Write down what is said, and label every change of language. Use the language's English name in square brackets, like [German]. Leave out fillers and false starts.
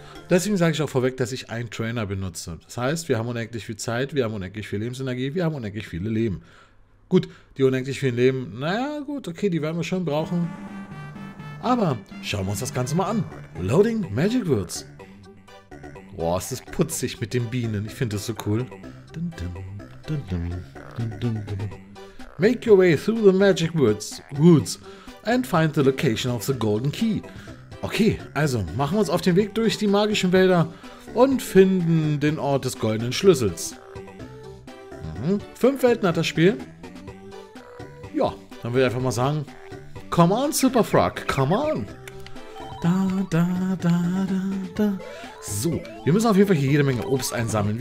[German] Deswegen sage ich auch vorweg, dass ich einen Trainer benutze. Das heißt, wir haben unendlich viel Zeit, wir haben unendlich viel Lebensenergie, wir haben unendlich viele Leben. Gut, die unendlich vielen Leben, naja, gut, okay, die werden wir schon brauchen. Aber schauen wir uns das Ganze mal an. [English] Loading Magic Words. [German] Boah, es ist putzig mit den Bienen. Ich finde das so cool. Dun, dun, dun, dun, dun, dun, dun. [English] Make your way through the magic woods and find the location of the golden key. [German] Okay, also machen wir uns auf den Weg durch die magischen Wälder und finden den Ort des goldenen Schlüssels. Mhm. 5 Welten hat das Spiel. Ja, dann würde ich einfach mal sagen, [English] come on, Super Frog, come on. [German] Da, da, da, da, da. So, wir müssen auf jeden Fall hier jede Menge Obst einsammeln.